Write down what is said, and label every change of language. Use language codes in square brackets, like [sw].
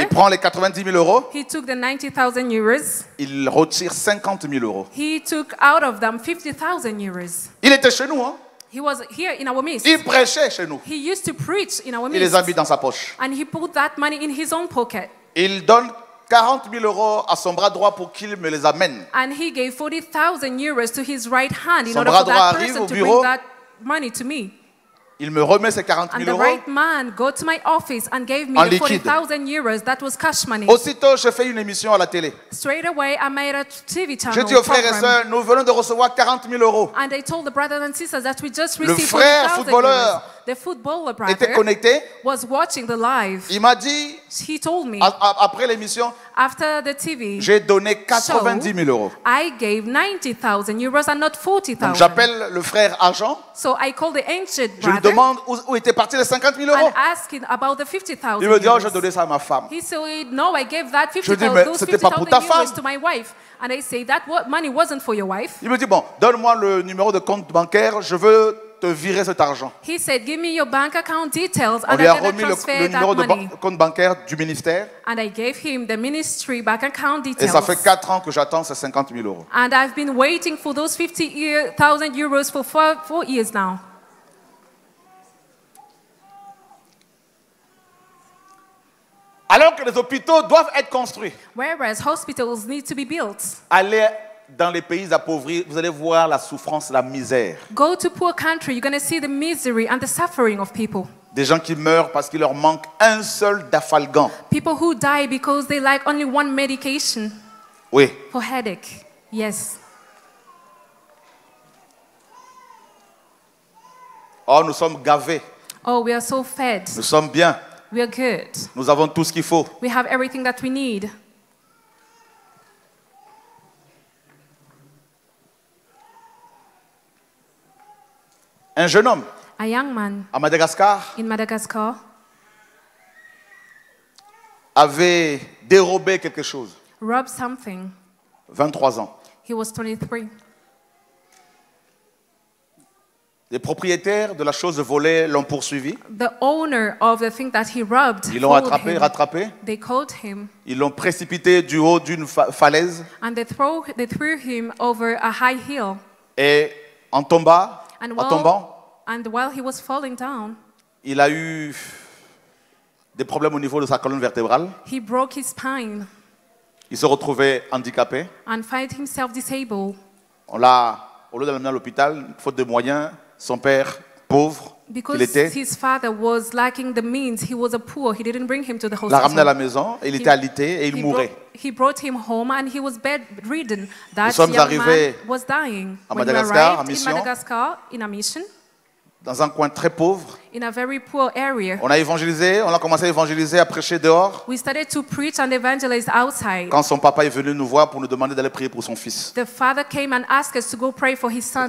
[fr] Il prend les 90 000 euros. [en] He took the 90,000 euros. [fr] Il retire 50 000 euros. [en] He took out of them 50,000 euros. [fr] Il était chez nous, hein? [en] He was here in our midst. [fr] Il prêchait chez nous. [en] He used to preach in our midst. [fr] Il les a mis dans sa poche. [en] And he put that money in his own pocket. [fr] Il donne 40 000 euros à son bras droit pour qu'il me les amène. [en] And he gave 40,000 euros to his right hand [fr] son [en] in order for that person [fr] au bureau, [en] to bring that money to me. [fr] Il me remet ses 40 000 euros. [en] And the right man go to my office and gave me the 40,000 euros. That was cash money. [fr] Aussitôt, je fais une émission à la télé. [en] Straight away, I made a TV channel. [fr] Je dis aux frères et sœurs, nous venons de recevoir 40 000 euros. [en] And I told the brothers and sisters that we just received 40,000 euros. The footballer brother [fr] était connecté. [en] Was watching the live. [fr] Il m'a dit. [en] He told me. [fr] Après l'émission, [en] after the TV. [fr] J'ai donné 90 000 euros. [en] I gave 90,000 euros and not 40,000. [fr] J'appelle le frère agent. [en] So I call the agent brother. [fr] Je lui demande où était parti les 50 000 euros. [en] And asking about the 50,000. [fr] Il me dit oh, j'ai donné ça à ma femme. [en] He said no, I gave that 50,000. [fr] Je dis mais c'était pas pour ta femme. [en] To my wife. And I say that money wasn't for your wife. [fr] Il me dit bon, donne-moi le numéro de compte bancaire, je veux te virer cet argent. [en] He said, give me your bank account details. [fr] On lui a remis le numéro de compte bancaire du ministère. [en] And I gave him the ministry bank account details. [fr] Et ça fait 4 ans que j'attends ces 50 000 euros. [en] And I've been waiting for those 50,000 euros for 4 years now. [fr] Alors que les hôpitaux doivent être construits. [en] Whereas hospitals need to be built. [fr] Allez dans les pays appauvris, vous allez voir la souffrance, la misère. [en] Go to poor country, you're going to see the misery and the suffering of people. [fr] Des gens qui meurent parce qu'il leur manque un seul dafalgan. [en] People who die because they like only one medication. [fr] Oui. [en] For headache. Yes. [fr] Oh, nous sommes gavés. [en] Oh, we are so fed. [fr] Nous sommes bien. [en] We are good. [fr] Nous avons tout ce qu'il faut. [en] We have everything that we need. [fr] Un jeune homme. [en] A young man. [fr] À Madagascar. [en] In Madagascar. [fr] Avait dérobé quelque chose. [en] Robbed something. [fr] 23 ans. [en] He was 23. [fr] Les propriétaires de la chose volée l'ont poursuivi. [en] The owner of the thing that he robbed. [fr] Ils l'ont attrapé, rattrapé. [en] They caught him. [fr] Ils l'ont précipité du haut d'une falaise. [en] And they threw him over a high hill. [fr] Et en tombant. [en] And while, [fr] en tombant, [en] and while he was falling down, [fr] il a eu des problèmes au niveau de sa colonne vertébrale. [en] He broke his spine. [fr] Il se retrouvait handicapé. [en] And find himself disabled. [fr] On l'a, au lieu de l'amener à l'hôpital, faute de moyens, son père, pauvre, [en] because [fr] qu'il était, [en] his father was lacking the means, he was a poor, he didn't bring him to the hospital. [fr] L'a ramené à la maison, et il était alité et il mourait. [en] He brought him home and he was bedridden. That [fr] nous sommes [en] young [fr] arrivés [en] man was dying. [fr] À Madagascar, [en] when we arrived [fr] en [en] Madagascar, in a mission, [fr] dans un coin très pauvre, [en] in a very poor area. [fr] On a évangélisé, on a commencé à évangéliser, à prêcher dehors. [en] We started to preach and evangelize outside. [fr] Quand son papa est venu nous voir pour nous demander d'aller prier pour son fils. [en] The father came and asked us to go pray for his son.